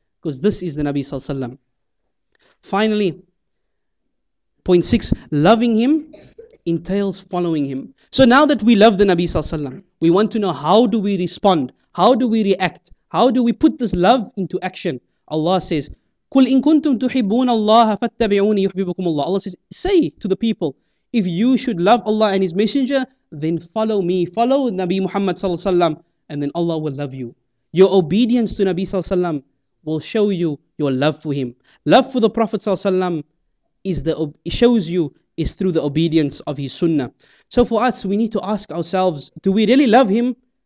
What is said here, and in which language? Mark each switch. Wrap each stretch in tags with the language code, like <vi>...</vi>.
<en>Because this is the Nabi Sallam. Finally, point six, loving him entails following him. So now that we love the Nabi Sallallahu Alaihi Wasallam, we want to know, how do we respond? How do we react? How do we put this love into action?</en> <ar>Allah says, قُلْ إِن كُنْتُمْ تُحِبُّونَ اللَّهَ فَاتَّبِعُونِ يُحْبِبُكُمُ اللَّهِ.</ar> <en>Allah says, say to the people, if you should love Allah and His Messenger, then follow me, follow Nabi Muhammad Sallallahu Alaihi Wasallam, and then Allah will love you. Your obedience to Nabi Sallallahu Alaihi Wasallam will show you your love for him. Love for the Prophet ﷺ shows you through the obedience of his sunnah. So for us, we need to ask ourselves, do we really love him?</en>